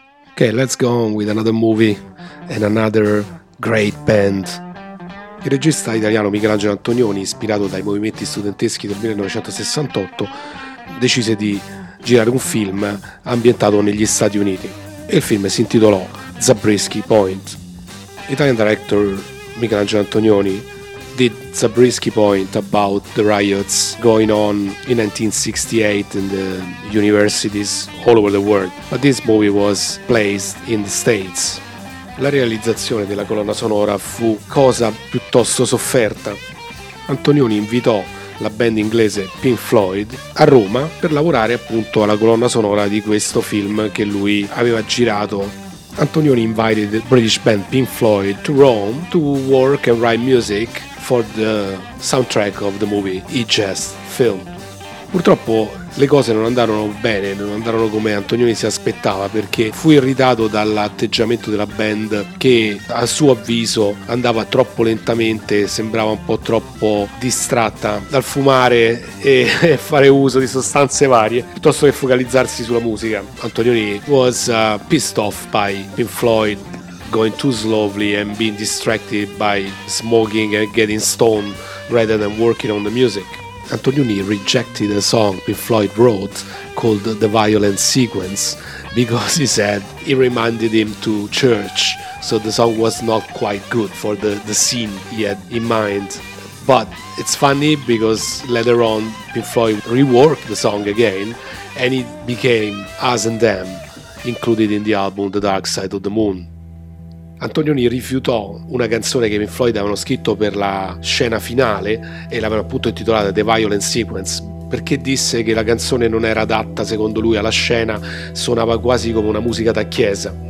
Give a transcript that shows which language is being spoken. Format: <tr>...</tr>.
<en>Ok, let's go on with another movie and another great band.</en> <it>Il regista italiano Michelangelo Antonioni, ispirato dai movimenti studenteschi del 1968, decise di girare un film ambientato negli Stati Uniti e il film si intitolò Zabriskie Point.</it> <en>Italian director Michelangelo Antonioni did Zabriskie Point about the riots going on in 1968 in the universities all over the world, but this movie was placed in the States.</en> <it>La realizzazione della colonna sonora fu cosa piuttosto sofferta. Antonioni invitò la band inglese Pink Floyd a Roma per lavorare appunto alla colonna sonora di questo film che lui aveva girato.</it> <en>Antonioni invited the British band Pink Floyd to Rome to work and write music for the soundtrack of the movie he just filmed.</en> <it>Purtroppo le cose non andarono bene, non andarono come Antonioni si aspettava, perché fu irritato dall'atteggiamento della band che a suo avviso andava troppo lentamente, sembrava un po' troppo distratta dal fumare e fare uso di sostanze varie piuttosto che focalizzarsi sulla musica.</it> <en>Antonioni was pissed off by Pink Floyd going too slowly and being distracted by smoking and getting stoned rather than working on the music. Antonioni rejected a song Pink Floyd wrote called The Violent Sequence because he said it reminded him to church, so the song was not quite good for the scene he had in mind. But it's funny because later on Pink Floyd reworked the song again and it became Us and Them, included in the album The Dark Side of the Moon.</en> <it>Antonioni rifiutò una canzone che Pink Floyd avevano scritto per la scena finale e l'avevano appunto intitolata The Violent Sequence, perché disse che la canzone non era adatta secondo lui alla scena, suonava quasi come una musica da chiesa.</it>